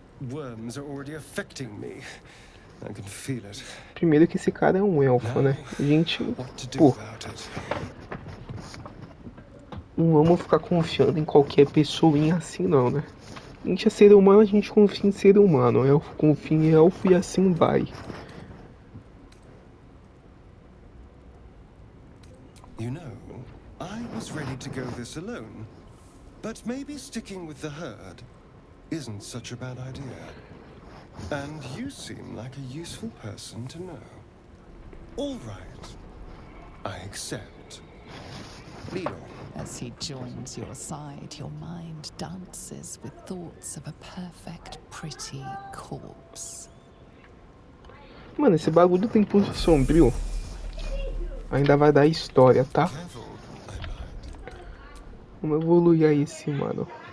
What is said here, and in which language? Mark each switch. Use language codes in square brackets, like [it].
[en] Worms are already affecting me. I can feel it. [pt] Primeiro que esse cara é um elfo, né? A gente. Pô. Não vamos ficar confiando em qualquer pessoinha assim não, né? A gente é ser humano, a gente confia em ser humano. Elfo confia em elfo e assim vai. [en] You know, I was ready to go this alone. But maybe sticking with the herd isn't such a bad idea. And you seem like a useful person to know. All right. I accept. Lead on. As he joins your side, your mind dances with thoughts of a perfect, pretty corpse. [pt] Mano, esse bagulho tem pulso sombrio. Ainda vai dar história, tá? Vamos evoluir aí, sim, mano.